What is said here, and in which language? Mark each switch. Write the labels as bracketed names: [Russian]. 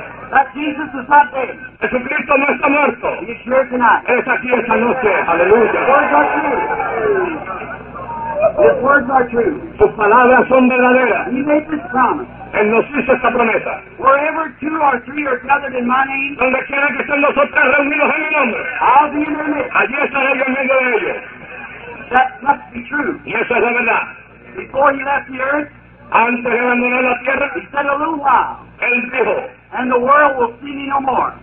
[English] That Jesus is not dead. [Spanish] Jesucristo no está muerto. [English] He is here tonight. [Spanish] Es aquí esta noche. Aleluya. [English] Words are true. His words are true. [Spanish] Sus palabras son verdaderas. [English] He made this promise. [Spanish] Él nos hizo esta promesa. [English] Wherever two or three are gathered in my name, [Spanish] donde quiera que estén los otros reunidos en mi nombre, [English] I'll be in their midst. [Spanish] Allí estaré yo en medio de ellos. [English] That must be true. [Spanish] Y eso es la verdad. [English] Before he left the earth, [Spanish] antes de abandonar la tierra, [English] he said a little while. [Spanish] Él dijo, [English] and the world will see me no more.